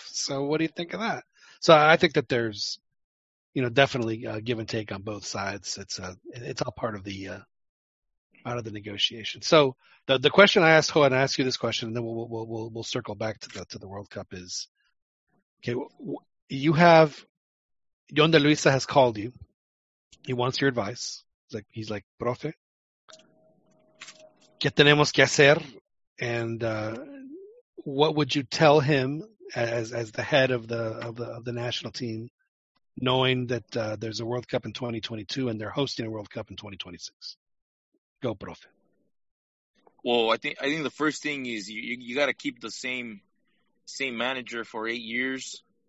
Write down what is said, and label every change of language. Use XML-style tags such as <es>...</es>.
<en>So what do you think of that? So I think that there's, you know, definitely give and take on both sides. It's all part of the negotiation. So the question I asked, and I ask you this question, and then we'll circle back to the World Cup is, okay, you have, John De Luisa has called you. He wants your advice. He's like,</en> <es>profe, ¿qué tenemos que hacer?</es> <en>And what would you tell him as the head of the national team, knowing that there's a World Cup in 2022 and they're hosting a World Cup in 2026? Go, profe. Well, I think the first thing is you got to keep the same manager for 8 years.</en>